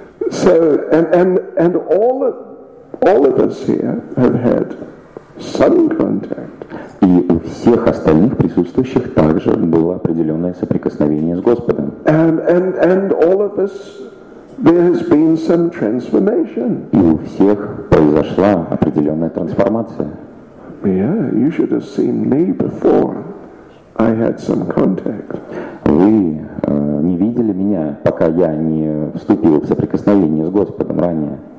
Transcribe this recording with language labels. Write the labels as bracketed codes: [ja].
[en] So, and all of us here have had some contact. [ru] И у всех остальных присутствующих также было определенное соприкосновение с Господом. [en] And all of us, there has been some transformation. [ru] И у всех произошла определенная трансформация. [en] Yeah, you should have seen me before I had some contact. [ru] Вы не видели меня, пока я не вступил в соприкосновение с Господом ранее.